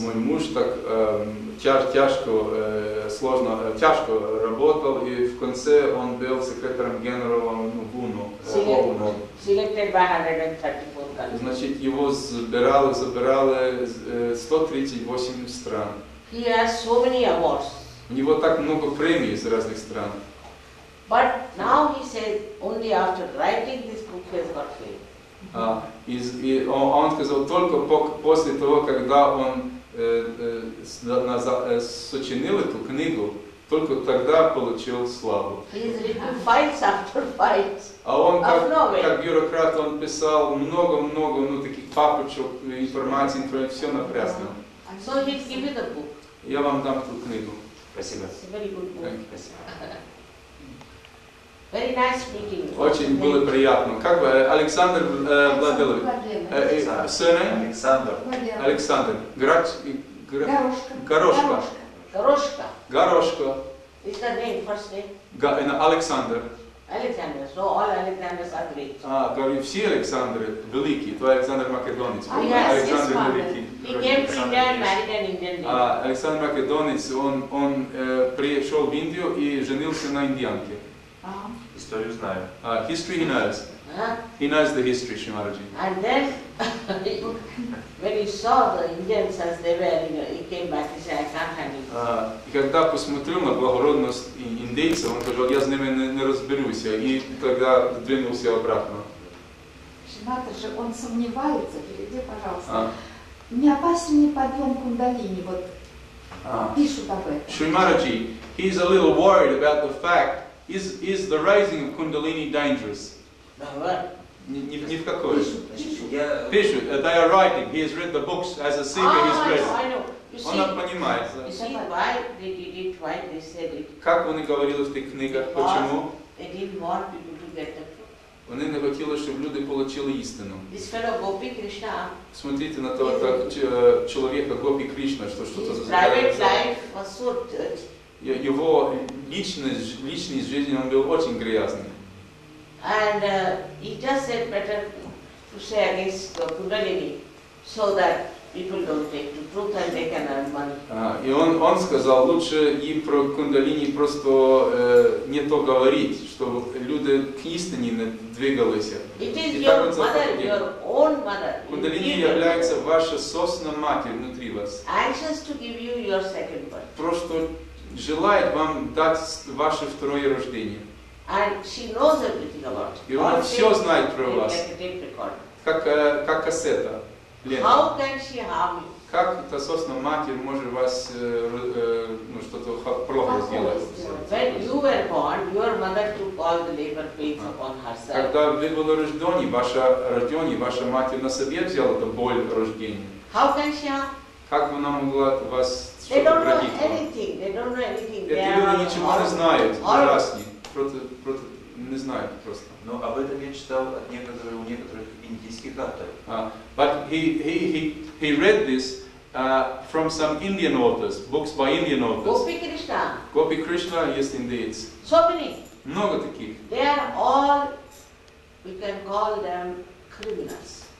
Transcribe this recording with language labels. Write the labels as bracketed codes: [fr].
[ru] Мой муж так тяжко работал, и в конце он был секретарем генерала ВУНО. [en] Selected by 134 countries. [ru] Значит, его забирали 138 стран. [en] He has so many awards. [ru] У него так много премий из разных стран. [en] But now he said only after writing this book has got fame. [ru] Он сказал только после того, когда он сочинил эту книгу, только тогда получил славу. [en] He's written fights after fights. [ru] А он как бюрократ, он писал много-много, ну, таких папочек, информации, все напрасно. [en] So he gave me the book. [ru] Я вам дам ту книгу. Спасибо. [en] Very good book. [ru] Спасибо. [en] Very nice meeting. [ru] Очень [en] Thank [ru] было [en] you. [ru] Приятно. Как вы? Александр Владимирович. Александр. Александр. Александр. Горошко. Горошко. Горошко. [en] Is the name, first name? [ru] Александр. [en] Александр. So all Alexanders are great. [ru] Говорю, все Александры великие. Твой Александр Македонец. Александр великий. Индия, Александр Македонец, он пришел в Индию и женился на индианке. Историю знаю. [en] History he knows. He knows the history, Шимараджи. And then, when he saw the Indians as they were, you know, he came back, he said, I can't handle it. [ru] И когда посмотрел на благородность индейцев, он сказал, я с ними не разберусь, и тогда двинулся обратно. Шимараджи, он сомневается, переведи, пожалуйста. Не опасен ли подъем кундалини? Вот пишут об этом. [en] Шримараджи, he is a little worried about the fact. Is the rising of Kundalini dangerous? [ru] Ни в какой. Пишут. [en] They are writing. He has read the books as a singer. He's read. I know. [ru] Он понимает. [en] You see why they did it? Why they said it? [ru] Как они говорили в этих книгах? Почему? [en] They didn't want people to get the truth. [ru] Они не хотели, чтобы люди получили истину. [en] This fellow Gopi Krishna. [ru] Смотрите на того человека Гопи Кришна, что-то [en] за. Private life was so dirty. [ru] Его личной жизни он был очень грязный. [en] And he just said better to say against Kundalini, so that people don't take to truth and they can earn money. [ru] И он сказал, лучше и про Кундалини просто не то говорить, чтобы люди к истине не двигались. [en] It is your mother, your own mother. [ru] Кундалини является ваша собственная мать внутри вас. [en] Anxious to give you your second birth. [ru] Просто желает вам дать ваше второе рождение. [en] And she knows everything about [ru] you. И она все знает про вас. Как кассета. [en] How can she harm you? [ru] Как та собственная матерь может вас что-то плохо сделать? [en] When you were born, your mother took all the labor pains upon herself. [ru] Когда вы были рождены, ваша матерь на себе взяла эту боль рождения. [en] How can she harm? [ru] Как она могла вас? [en] They don't know anything. They don't know anything. [ru] Эти люди ничего не знают. Ужасно. Просто не знают просто. Но об этом я читал у некоторых индийских авторов. [en] But he read this from some Indian authors, books by Indian authors. Gopi Krishna. Gopi Krishna, yes, indeed. So many. [ru] Много таких. [en] They are all, we can call them criminals.